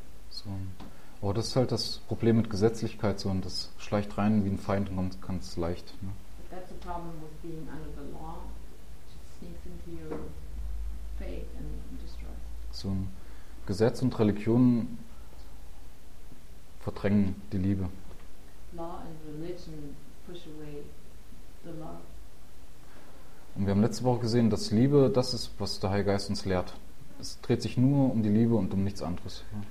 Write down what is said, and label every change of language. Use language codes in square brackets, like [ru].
[de] So. Aber das ist halt das Problem mit Gesetzlichkeit, so, und das schleicht rein wie ein Feind und kommt ganz leicht. Ne? [en] That's a problem with being under the law. It just sneaks into your faith and destroys. [de] So, Gesetz und Religion verdrängen die Liebe. [en] Law and religion push away the love. [de] Und wir haben letzte Woche gesehen, dass Liebe das ist, was der Heilige Geist uns lehrt. Es dreht sich nur um die Liebe und um nichts anderes.